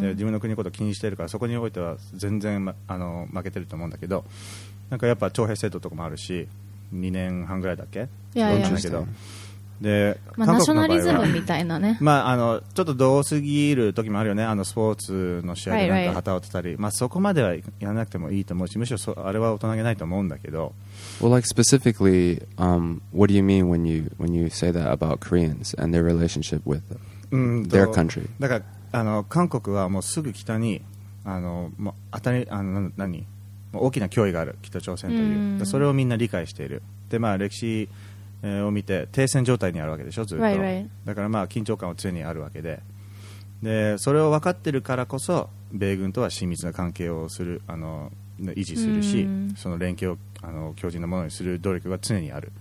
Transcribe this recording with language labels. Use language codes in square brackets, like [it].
[ja] 自分の国のこと気にしてるからそこにおいては全然、ま、あの負けてると思うんだけど、なんかやっぱ徴兵制度とかもあるし2年半ぐらいだっけ、いやいやだけどで、まあ、ナショナリズムみたいなね、まあ、あのちょっと度過ぎる時もあるよね、あのスポーツの試合でなんか旗を立てたり、はいはい、まあ、そこまではやらなくてもいいと思うし、むしろあれは大人げないと思うんだけど、 [en] Well like specifically what do you mean when you say that about Koreans and their relationship with their country? [ja] だからあの韓国はもうすぐ北にあのもう当たりあの何大きな脅威がある北朝鮮という、うん、それをみんな理解している。で、まあ、歴史を見て停戦状態にあるわけでしょずっと、 [en] right, right. [ja] だからまあ緊張感は常にあるわけ でそれを分かってるからこそ米軍とは親密な関係をするあの維持するし、うん、その連携をあの強靭なものにする努力が常にある、